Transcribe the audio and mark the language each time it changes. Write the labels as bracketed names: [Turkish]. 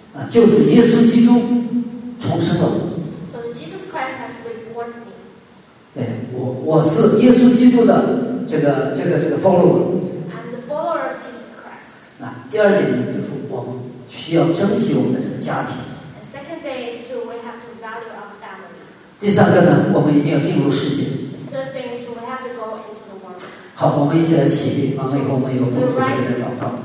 [Chinese] 就是耶稣基督重生了我。 [English] So Jesus Christ has reborn me. [Chinese] 对，我是耶稣基督的这个 follower. [English] I'm the follower of Jesus Christ. [Chinese] 那第二点呢，就是我们需要珍惜我们的这个家庭。 [English] And second thing is to we have to value our family. [Chinese] 第三个呢，我们一定要进入世界。 [English] The third thing is we have to go into the world. [Chinese] 好，我们一起来起立，完了以后我们有奉主的名祷告。